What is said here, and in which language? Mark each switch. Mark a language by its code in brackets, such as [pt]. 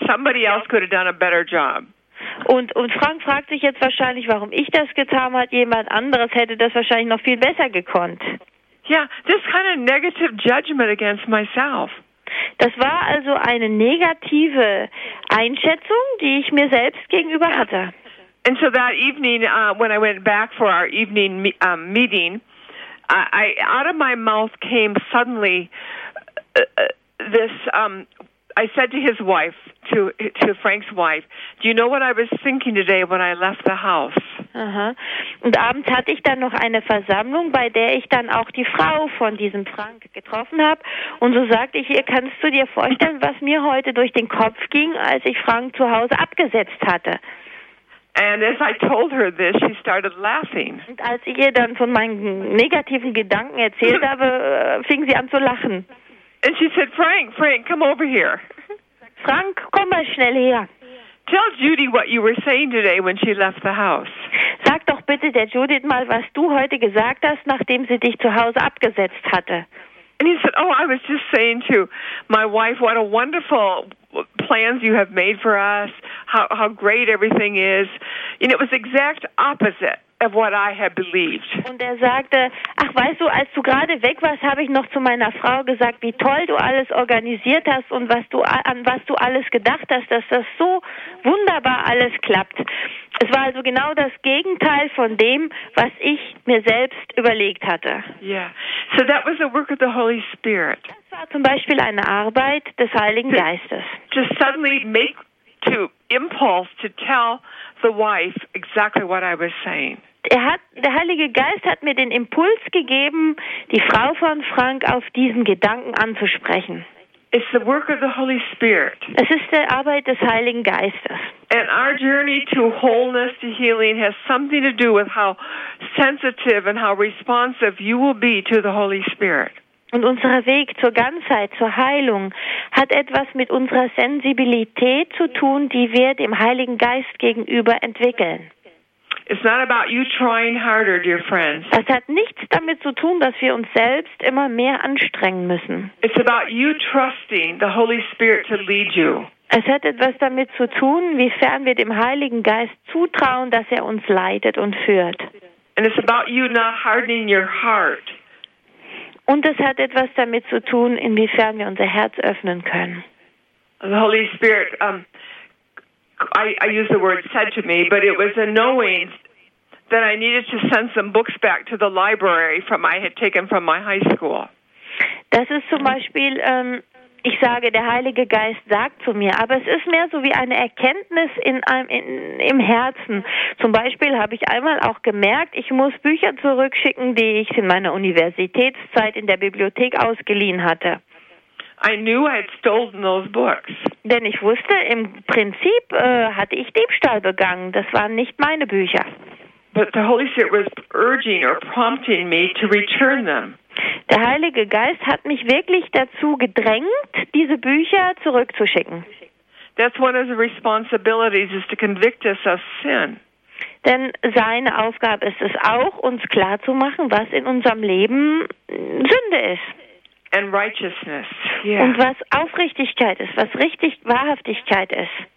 [en] Somebody else could have done a better job. [de] Und Frank fragt sich jetzt wahrscheinlich, warum ich das getan habe. Jemand anderes hätte das wahrscheinlich noch viel besser gekonnt. [en] Yeah, this kind of negative judgment against myself. [de] Das war also eine negative Einschätzung, die ich mir selbst gegenüber hatte. [en] And so that evening, when I went back for our evening meeting, I out of my mouth came suddenly this. I said to his wife, to Frank's wife, "Do you know what I was thinking today when I left the house?" Uh-huh. [de] Und abends hatte ich dann noch eine Versammlung, bei der ich dann auch die Frau von diesem Frank getroffen habe. Und so sagte ich ihr, kannst du dir vorstellen, was mir heute durch den Kopf ging, als ich Frank zu Hause abgesetzt hatte? [en] And as I told her this, she started laughing. [de] Und als ich ihr dann von meinen negativen Gedanken erzählt habe, fing sie an zu lachen. [en] And she said, Frank, come over here. [de] Frank, komm mal schnell her. [en] Tell Judy what you were saying today when she left the house. [de] Sag doch bitte der Judith mal, was du heute gesagt hast, nachdem sie dich zu Hause abgesetzt hatte. [en] And he said, "Oh, I was just saying to my wife what a wonderful plans you have made for us. How great everything is." And it was exact opposite of what I had believed. [de] Und er sagte, ach weißt du, als du gerade weg warst, habe ich noch zu meiner Frau gesagt, wie toll du alles organisiert hast und was du alles gedacht hast, dass das so wunderbar alles klappt. Es war also genau das Gegenteil von dem, was ich mir selbst überlegt hatte. Yeah. [en] So that was the work of the Holy Spirit. [de] Das war zum Beispiel eine Arbeit des Heiligen Geistes. [en] Just suddenly make to impulse to tell the wife exactly what I was saying. [de] Der Heilige Geist hat mir den Impuls gegeben, die Frau von Frank auf diesen Gedanken anzusprechen. [en] It's the work of the Holy Spirit. [de] Es ist die Arbeit des Heiligen Geistes. [en] And our journey to wholeness, to healing, has something to do with how sensitive and how responsive you will be to the Holy Spirit. [de] Und unser Weg zur Ganzheit, zur Heilung, hat etwas mit unserer Sensibilität zu tun, die wir dem Heiligen Geist gegenüber entwickeln. [en] It's not about you trying harder, dear friends. [de] Das hat nichts damit zu tun, dass wir uns selbst immer mehr anstrengen müssen. [en] It's about you trusting the Holy Spirit to lead you. [de] Es hat etwas damit zu tun, wiefern wir dem Heiligen Geist zutrauen, dass er uns leitet und führt. [en] And it's about you not hardening your heart. [de] Und es hat etwas damit zu tun, inwiefern wir unser Herz öffnen können. [en] The Holy Spirit, I use the word said to me, but it was a knowing that I needed to send some books back to the library from I had taken from my high school. [de] Das ist zum Beispiel, ich sage, der Heilige Geist sagt zu mir, aber es ist mehr so wie eine Erkenntnis im Herzen. Zum Beispiel habe ich einmal auch gemerkt, ich muss Bücher zurückschicken, die ich in meiner Universitätszeit in der Bibliothek ausgeliehen hatte. [en] I knew I had stolen those books. [de] Denn ich wusste, im Prinzip hatte ich Diebstahl begangen. Das waren nicht meine Bücher. [en] But the Holy Spirit was urging or prompting me to return them. [de] Der Heilige Geist hat mich wirklich dazu gedrängt, diese Bücher zurückzuschicken. [en] That's one of the responsibilities, is to convict us of sin. [de] Denn seine Aufgabe ist es auch, uns klarzumachen, was in unserem Leben Sünde ist. [en] And righteousness. Yeah. [de] Und was Aufrichtigkeit ist, was richtig Wahrhaftigkeit ist.